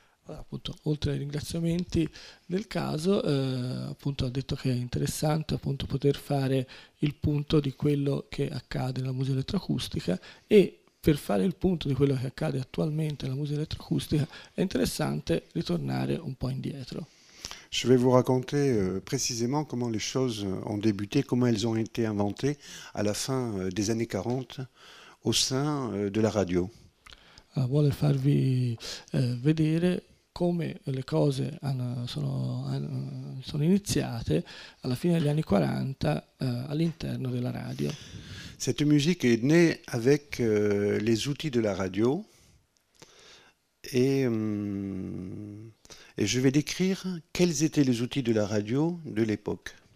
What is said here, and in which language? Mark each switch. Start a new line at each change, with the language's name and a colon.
Italian: Appunto, oltre ai ringraziamenti del caso, appunto, ha detto che è interessante appunto, poter fare il punto di quello che accade nella musica elettroacustica e per fare il punto di quello che accade attualmente nella musica elettroacustica è interessante ritornare un po' indietro.
French: Je vais vous raconter précisément comment les choses ont débuté, comment elles ont été inventées à la fin des années 40 au sein de la radio.
Italian: Vuole farvi vedere come le cose sono iniziate alla fine degli anni 40 all'interno della radio.
French: Cette musique est née avec les outils de la radio et je vais décrire quels étaient les outils de la radio de l'époque.